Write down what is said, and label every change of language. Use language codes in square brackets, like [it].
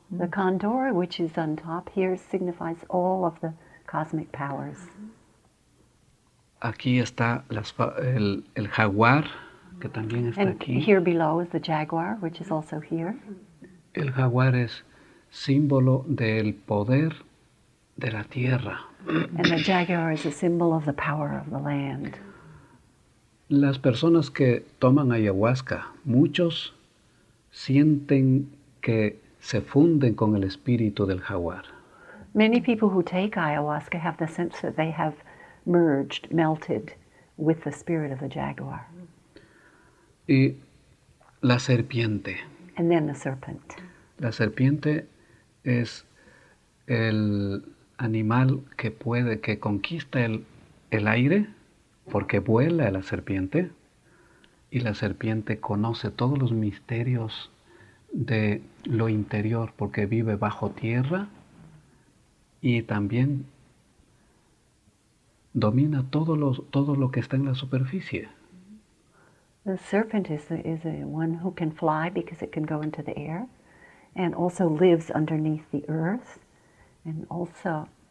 [en] The condor, which is on top here, signifies all of the cosmic powers. [es] Aquí está el jaguar, que también está [en] And [es] aquí. [en] And here below is the jaguar, which is also here. [es] El jaguar es símbolo del poder de la tierra. [en] And the jaguar is a symbol of the power of the land. [es] Las personas que toman ayahuasca, muchos sienten que se funden con el espíritu del jaguar. [en] Many people who take ayahuasca have the sense that they have merged, melted with the spirit of the jaguar. [es] Y la serpiente. [en] And then the serpent. [es] La serpiente es el animal que puede, que conquista el aire, porque vuela la serpiente, y la serpiente conoce todos los misterios de lo interior, porque vive bajo tierra, y también domina todo lo que está en la superficie. [en] The serpent is a one who can fly because it can go into the air, and also lives underneath the earth, and also